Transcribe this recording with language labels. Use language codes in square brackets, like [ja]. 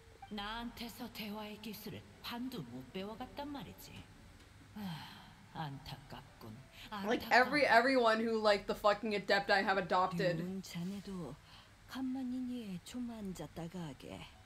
[ko] 나한테서 대화의 기술을 반도 못 배워갔단 말이지. 아, 안타깝군. [en] Like everyone who like the fucking adept I have adopted. [ko] 자네도 간만이니 좀 앉았다가 하게.